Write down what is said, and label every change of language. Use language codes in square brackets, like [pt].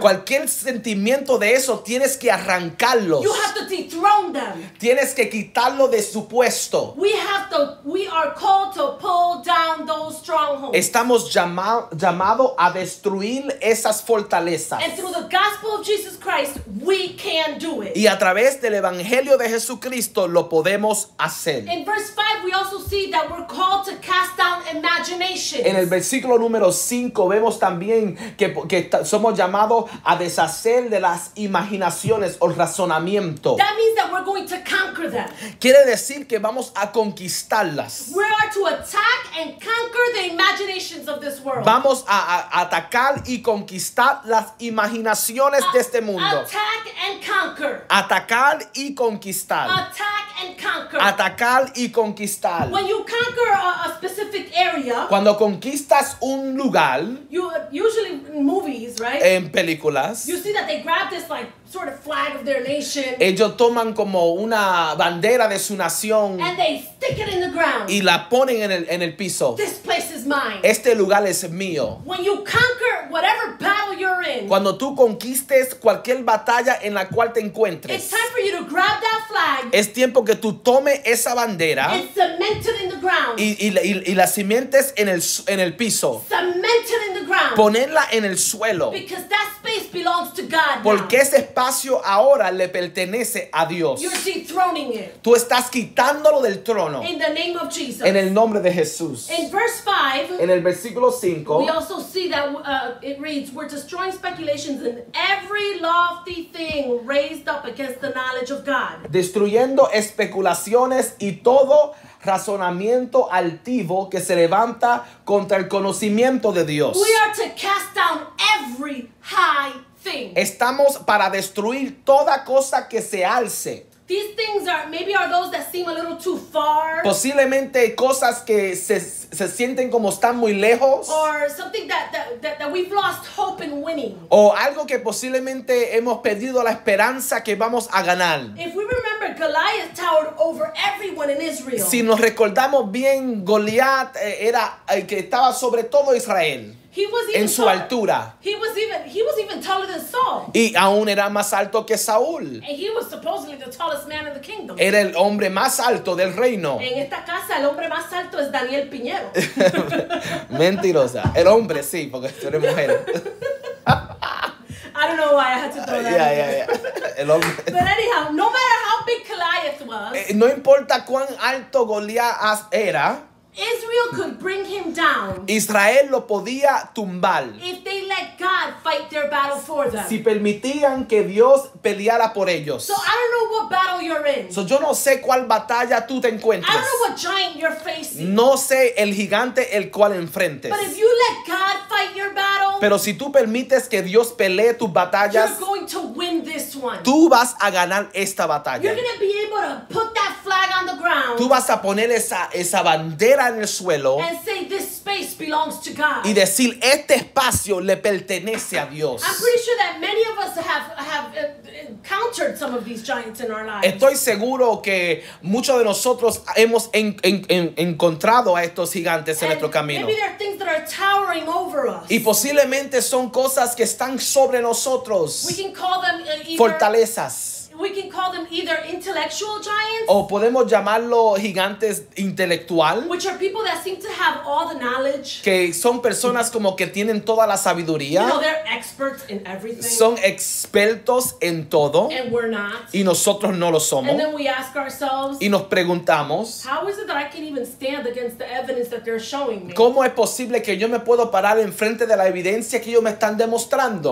[es] Cualquier sentimiento de eso, tienes que arrancarlos. [en] You have to dethrone them. [es] Tienes que quitarlo de su puesto. [en] We are called to pull down those strongholds. [es] Estamos llamado a destruir esas fortalezas. [en] And through the gospel of Jesus Christ, we can do it. [es] Y a través del evangelio de Jesucristo, lo podemos hacer. [en] In verse 5, we also see that we're called to cast down imaginations. [es] En el versículo número 5, vemos también que somos llamados a deshacer de las imaginaciones o razonamiento. [en] That means that we're going to conquer them. [es] Quiere decir que vamos a conquistarlas. [en] We are to attack and conquer the imaginations of this world. [es] Vamos a atacar y conquistar las imaginaciones de este mundo. [en] Attack and conquer. [es] Atacar y conquistar. [en] Attack and conquer. [es] Atacar y conquistar. [en] When you conquer a specific area. [es] Cuando conquistas un lugar. [en] You usually in movies, right? [es] En películas. [en] You see that they grab this like sort of flag of their nation. [es] Ellos toman como una bandera de su nación. [en] And they stick it in the ground. [es] Y la ponen en el piso. [en] This place is mine. [es] Este lugar es mío. [en] When you conquer whatever battle you're in. [es] Cuando tú conquistes cualquier batalla en la cual te encuentres. [en] It's time for you to grab that flag. [es] Es tiempo que tú tomes esa bandera. [en] It's cemented in the ground. [es] Y la cimientes en el piso. [en] Cemented in the ground. [es] Ponerla en el suelo. [en] Because that space belongs to God. [es] Porque [en] now. [es] Ese espacio ahora le pertenece a Dios. [en] You're dethroning it. [es] Tú estás quitándolo del trono. [en] In the name of Jesus. [es] En el nombre de Jesús. [en] In verse 5. [es] En el versículo 5. [en] We also see that it reads, we're destroying speculations and every lofty thing raised up against the knowledge of God. [es] Destruyendo especulaciones y todo razonamiento altivo que se levanta contra el conocimiento de Dios. [en] We are to cast down every high thing. [es] Estamos para destruir toda cosa que se alce. [en] These things are maybe are those that seem a little too far. [es] Posiblemente cosas que se sienten como están muy lejos. [en] Or something that we've lost hope in winning. [es] O algo que posiblemente hemos perdido la esperanza que vamos a ganar. [en] If we remember, Goliath towered over everyone in Israel. [es] Si nos recordamos bien, Goliath era el que estaba sobre todo Israel. [en] He was even [es] en su altura. [en] He was even taller than Saul. [es] Y aún era más alto que Saúl. [en] And he was supposedly the tallest man in the kingdom. [es] Era el hombre más alto del reino. En esta casa el hombre más alto es Daniel Piñero. Mentirosa. El hombre sí, porque tú eres mujer. [en] I don't know why I had to throw that in. [es] Yeah. El hombre. [en] But anyhow, no matter how big Goliath was. [es] No importa cuán alto Goliath era. [en] Israel could bring him down. [es] Israel lo podía tumbar. [en] If they let God fight their battle for them. [es] Si permitían que Dios peleara por ellos. [en] So I don't know what battle you're in. [es] So yo no sé cuál batalla tú te encuentras. [en] I don't know what giant you're facing. [es] No sé el gigante el cual enfrentes. [en] But if you let God fight your battle. [es] Pero si tú permites que Dios pelee tus batallas. [en] You're going to win this one. [es] Tú vas a ganar esta batalla. [en] You're going to be able to put that flag on the ground. [es] Tú vas a poner esa bandera en el suelo [en] and say, this space belongs to God. [es] Y decir este espacio le pertenece a Dios. [en] I'm pretty sure that many of us have encountered some of these giants in our lives. [es] Estoy seguro que muchos de nosotros hemos encontrado a estos gigantes en nuestro camino. [en] Maybe there are things that are towering over us. [es] Y posiblemente son cosas que están sobre nosotros. [en] We can call them [es] fortalezas. [en] We can call them either intellectual giants. [es] O podemos llamarlo gigantes intelectual. [en] Which are people that seem to have all the knowledge. [es] Que son personas como que tienen toda la sabiduría. [en] You know, they're experts in everything. [es] Son expertos en todo. [en] And we're not. [es] Y nosotros no lo somos. [en] And then we ask ourselves. [es] Y nos preguntamos. [en] How is it that I can even stand against the evidence that they're showing me? [es] ¿Cómo es posible que yo me puedo parar enfrente de la evidencia que ellos me están demostrando?